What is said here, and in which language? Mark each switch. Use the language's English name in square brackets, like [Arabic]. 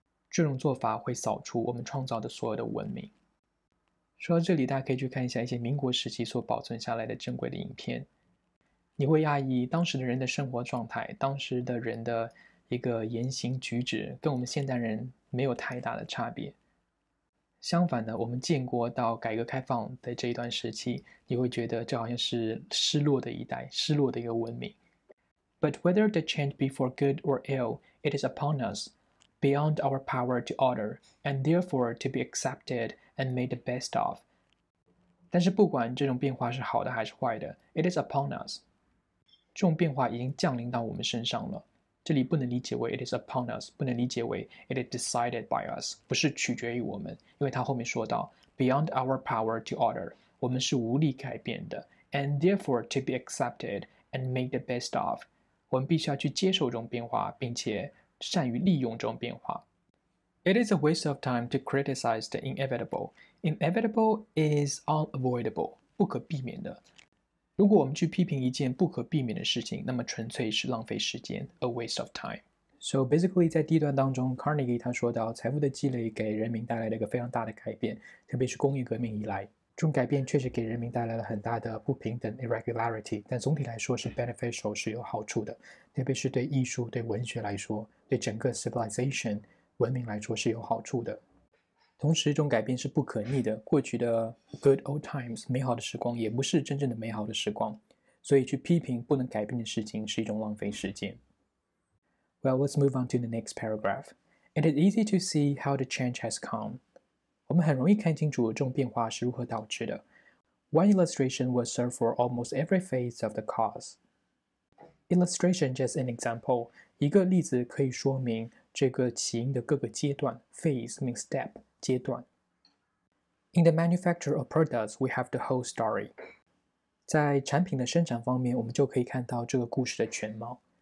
[Chinese] 这种做法会扫除我们创造的所有的文明。说到这里，大家可以去看一下一些民国时期所保存下来的珍贵的影片，你会讶异当时的人的生活状态，当时的人的一个言行举止，跟我们现代人没有太大的差别。相反的，我们建国到改革开放的这一段时期，你会觉得这好像是失落的一代，失落的一个文明。 [English] But whether the change be for good or ill, it is upon us. Beyond our power to order, and therefore to be accepted and made the best of. [Chinese] 但是不管这种变化是好的还是坏的， it is upon us. 这种变化已经降临到我们身上了。这里不能理解为 it is upon us，不能理解为 it is decided by us，不是取决于我们，因为他后面说到 beyond our power to order，我们是无力改变的 ， and therefore to be accepted and made the best of。我们必须要去接受这种变化，并且。善于利用这种变化。 [English] It is a waste of time to criticize the inevitable. Inevitable is unavoidable, 不可避免的。 [Chinese] 如果我们去批评一件不可避免的事情，那么纯粹是浪费时间 , a waste of time. So basically, 在第一段当中 ,Carnegie 他说到财富的积累给人民带来了一个非常大的改变，特别是工业革命以来。这种改变确实给人民带来了很大的不平等 irregularity， 但总体来说是 beneficial， 是有好处的，特别是对艺术、对文学来说，对整个 civilization 文明来说是有好处的。同时，这种改变是不可逆的，过去的 good old times 美好的时光也不是真正的美好的时光，所以去批评不能改变的事情是一种浪费时间。 [English] Well, let's move on to the next paragraph. It is easy to see how the change has come. [Chinese] 我们很容易看清楚这种变化是如何导致的。 [English] One illustration will serve for almost every phase of the cause. Illustration just an example. [Chinese] 一个例子可以说明这个起因的各个阶段。 [English] Phase means step, 阶段。 In the manufacture of products, we have the whole story. [Chinese] 在产品的生产方面，我们就可以看到这个故事的全貌。